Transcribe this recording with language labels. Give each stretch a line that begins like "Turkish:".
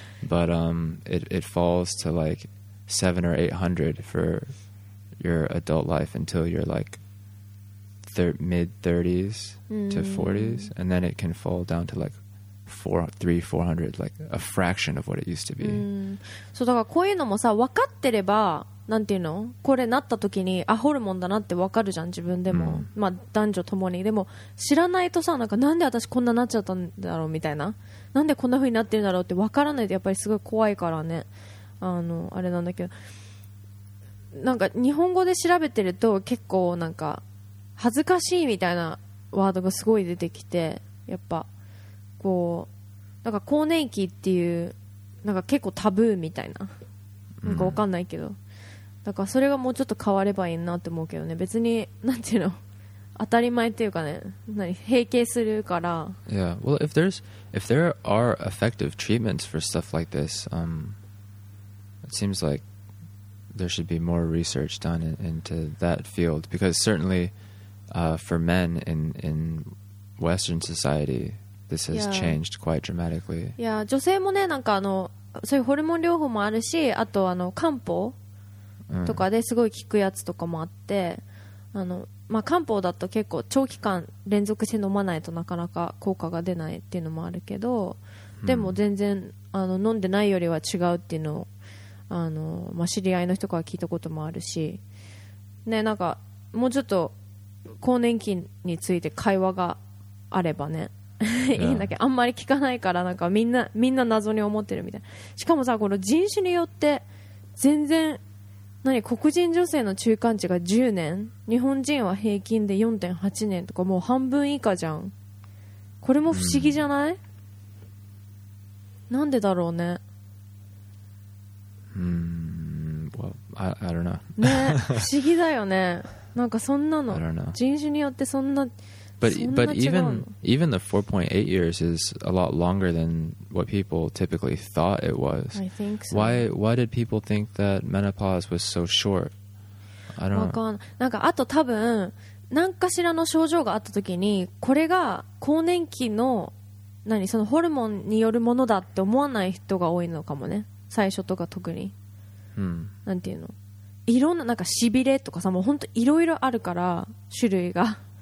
English: But it falls to like 700 or 800 for your adult life until you're like mid-30s to 40s. And then it can fall down to like 400, like a fraction of what it used to be.
Japanese: So, だからこういうのもさ、分かってれば、なんていうの？これなった時に、あ、ホルモンだなって分かるじゃん、自分でも。まあ、男女ともに。でも、知らないとさ、なんか、なんで私こんななっちゃったんだろうみたいな。なんでこんな風になってるんだろうって分からないと、やっぱりすごい怖いからね。あれなんだけど。なんか、日本語で調べてると、結構なんか、恥ずかしいみたいなワードがすごい出てきて、やっぱ、こう、なんか、更年期っていう、なんか結構タブーみたいな。なんか分かんないけど。だからそれがもうちょっと変わればいいなって思うけどね。別になんていうの、当たり前っていうかね、何、閉経するから。
English: Yeah, well, if there are effective treatments for stuff like this, it seems like there should be more research done into that field, because certainly for men in Western society, this has changed quite dramatically.
Japanese: Yeah, 女性もね、なんかそういうホルモン療法もあるし、あと漢方とかですごい効くやつとかもあって、まあ、漢方だと結構長期間連続して飲まないとなかなか効果が出ないっていうのもあるけど、でも全然飲んでないよりは違うっていうのを知り合いの人から聞いたこともあるし、ね、なんかもうちょっと更年期について会話があればねいいんだけど、あんまり聞かないから、なんかみんな謎に思ってるみたいな。しかもさ、この人種によって全然、何、黒人女性の中間値が10年、日本人は平均で 4.8 年とか、もう半分以下じゃん。これも不思議じゃない、なんでだろうね。
English: Well, I don't know.
Japanese: ね、不思議だよね。なんかそんなの、人種によってそんな、
English: But, even the 4.8 years is a lot longer than what people typically thought it was. I think so. Why did people think that menopause was so short? I don't know.
Japanese: なんか、あと多分、何かしらの症状があった時に、これが更年期の、何、そのホルモンによるものだって思わない人が多いのかもね。最初とか特に。なんていうの？いろんな、なんかしびれとかさ、もう本当いろいろあるから、種類が。